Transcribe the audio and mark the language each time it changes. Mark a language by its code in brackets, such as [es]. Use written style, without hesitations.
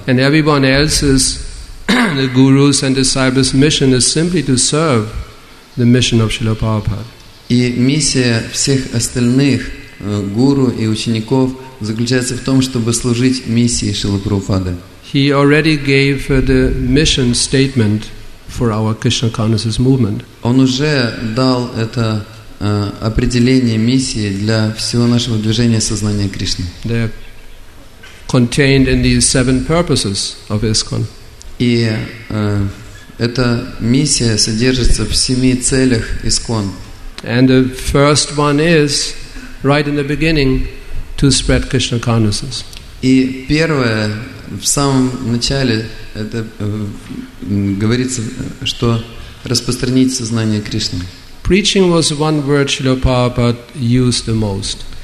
[en] And everyone else's, the gurus and disciples' mission is simply to serve the mission of Srila Prabhupada. [ru] И миссия всех остальных гуру и учеников заключается в том, чтобы служить миссии Шрилы Прабхупады. [en] He already gave the mission statement for our Krishna consciousness movement. [ru] Он уже дал это определение миссии для всего нашего движения сознания Кришны. [en] They're contained in these seven purposes of ISKCON. [ru] И эта миссия содержится в семи целях ISKCON. [en] And the first one is, right in the beginning, to spread Krishna consciousness. [ru] И первое, в самом начале, это говорится, что распространить сознание Кришны. [en] Preaching was one word Srila Prabhupada used the most.